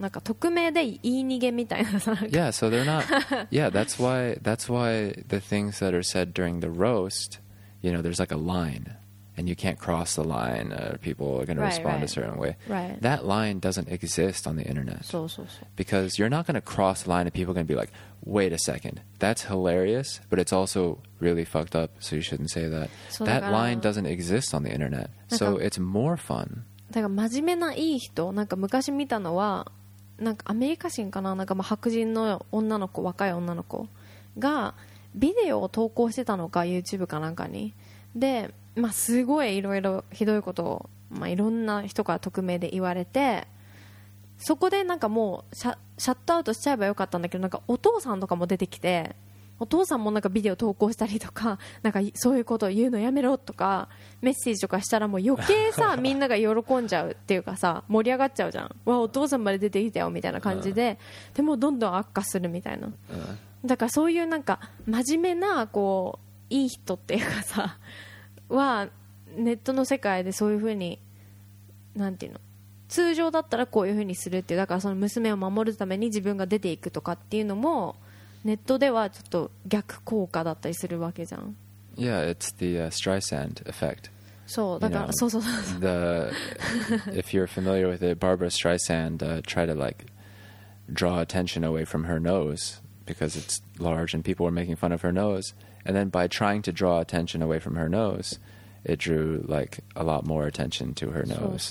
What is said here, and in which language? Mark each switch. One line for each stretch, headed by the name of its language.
Japanese: なんか匿名で言い逃げみたいな。
English: Yeah, so they're not. Yeah, that's why the things that are said during the roast, you know, there's like a line, and you can't cross the line. People are going to respond right. a certain way. Right. That line doesn't exist on the internet.
Japanese: そうそうそう。
English: Because you're not going to cross the line, and people are going to be like, "Wait a second, that's hilarious, but it's also really fucked up. So you shouldn't say that." That line doesn't exist on the internet. So it's more fun.
Japanese: だから真面目ないい人、なんか昔見たのはなんかアメリカ人かな、なんかまあ白人の女の子、若い女の子がビデオを投稿してたのか YouTube かなんかに、で、まあ、すごいいろいろひどいことを、まあ、いろんな人から匿名で言われて、そこでなんかもうシャットアウトしちゃえばよかったんだけど、なんかお父さんとかも出てきて、お父さんもなんかビデオ投稿したりとか、なんかそういうことを言うのやめろとかメッセージとかしたら、もう余計さみんなが喜んじゃうっていうかさ、盛り上がっちゃうじゃん、わお父さんまで出てきたよみたいな感じで、でもどんどん悪化するみたいな。だからそういうなんか真面目なこういい人っていうかさ、はネットの世界でそういう風になんていうの、通常だったらこういうふうにするっていう、だからその娘を守るために自分が出ていくとかっていうのもネットではちょっと逆効果だったりするわけじゃん。
English: Yeah, it's the Streisand effect.
Japanese: そうだから、
English: you know,
Japanese: そうそうそう、
English: the, If you're familiar with it, Barbara Streisand try to like draw attention away from her nose because it's large and people were making fun of her nose, and then by trying to draw attention away from her nose it drew like a lot more attention to her nose.